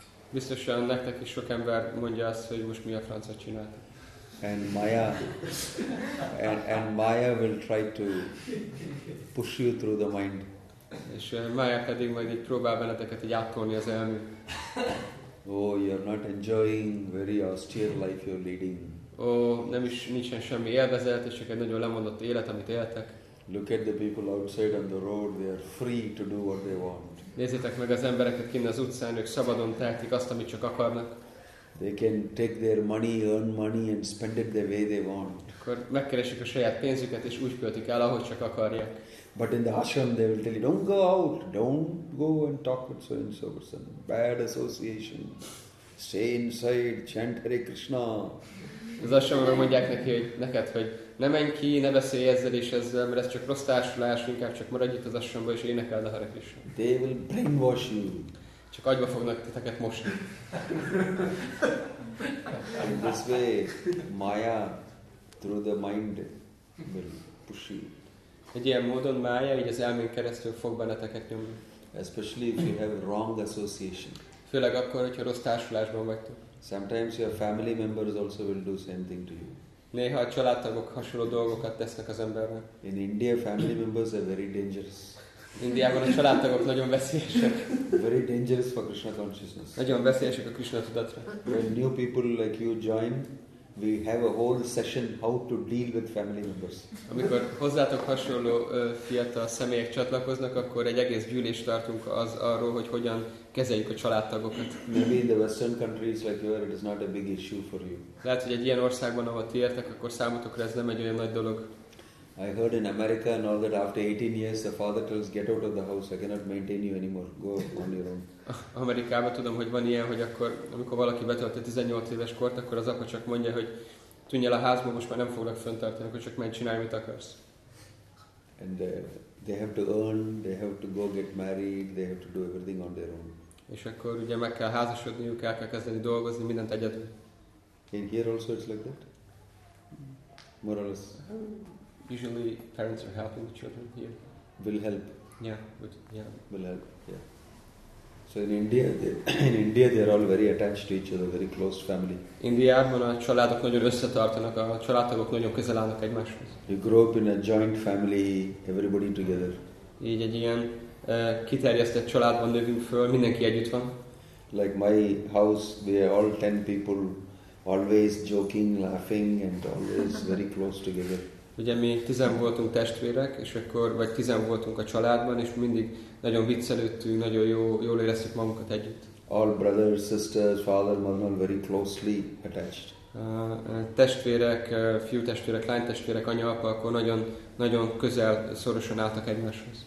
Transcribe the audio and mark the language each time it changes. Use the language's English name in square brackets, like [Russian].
[Hungarian] Biztosan nektek is sok ember mondja azt, hogy most mi a francot csináltak. [English] And Maya, and Maya will try to push you through the mind. [Hungarian] És Maya pedig majd így próbál benneteket így átkolni az elmű. [English] Oh, you're not enjoying very austere life you're leading. [Hungarian] Oh, nem is nincsen semmi élvezet, és csak egy nagyon lemondott élet, amit éltek. [English] Look at the people outside on the road, they are free to do what they want. [Hungarian] Nézzétek meg az embereket kint az utcán, ők szabadon tehetik azt, amit csak akarnak. [English] They can take their money, earn money and spend it the way they want. [Hungarian] Akkor megkeresik a saját pénzüket, és úgy költik el, ahogy csak akarják. [English] But in the ashram they will tell you, don't go out, don't go and talk with so and so person, bad association, stay inside, chant Hare Krishna. [Hungarian] Az ashramban mondják neki, hogy neked, hogy ne menj ki, ne beszélj ezzel és ezzel, mert ez csak rossz társulás, inkább csak maradj itt az ashramban és énekeld a Hare Krishna. [English] They will brainwash you. [Hungarian] Csak agyba fognak titeket mosni. [English] In this way, Maya, through the mind, will push you. [Hungarian] Egy ilyen módon Maya, így az elmén keresztül fog benneteket nyomni. [English] Especially if you have wrong association. [Hungarian] Főleg akkor, hogyha rossz társulásban vagytok. [English] Sometimes your family members also will do same thing to you. [Hungarian] Néha a családtagok hasonló dolgokat tesznek az embernek. [English] In India, family members are very dangerous. [Hungarian] Indiában a családtagok nagyon veszélyesek. [English] Very dangerous for Krishna consciousness. [Hungarian] Nagyon veszélyesek a Krishna tudatra. [English] When new people like you join, we have a whole session how to deal with family members. [Hungarian] Amikor hozzátok hasonló fiatal személyek csatlakoznak, akkor egy egész gyűlést tartunk az arról, hogy hogyan kezeljük a családtagokat. [English] Maybe in the western countries like here, it is not a big issue for you. [Hungarian] Lehet, hogy egy ilyen országban, ahol ti értek, akkor számotokra ez nem egy olyan nagy dolog. [English] I heard in America and all that after 18 years the father tells, get out of the house, I cannot maintain you anymore, go on your own. [Hungarian] Amerikában tudom, hogy van ilyen, hogy akkor, amikor valaki betölt a 18 éves kort, akkor az apa csak mondja, hogy tűnj el a házból, most már nem foglak fönntartani, akkor csak menj, csinálj, mit akarsz. [English] And they have to earn, they have to go get married, they have to do everything on their own. [Hungarian] És akkor ugye meg kell házasodniuk, el kell kezdeni dolgozni, mindent egyedül. [English] In here also it's like that? More or less. Usually parents are helping the children here. Will help. Yeah. So in India they are all very attached to each other, very close family. [Hungarian] Indiában a családok nagyon összetartanak, a családtagok nagyon közel állnak egymáshoz. [English] You grow up in a joint family, everybody together. [Hungarian] Így egy ilyen kiterjesztett családban növünk föl, mindenki együtt van. [English] Like my house, we are all 10 people, always joking, laughing, and always very close together. [Hungarian] Ugye mi 10 voltunk testvérek, és akkor vagy 10 voltunk a családban, és mindig nagyon viccelődtünk, nagyon jól éreztük magunkat együtt. [English] All brothers, sisters, father, mother, very closely attached. [Hungarian] Testvérek, fiú testvérek, lány testvérek, anya, apa, akkor nagyon, nagyon közel, szorosan álltak egymáshoz.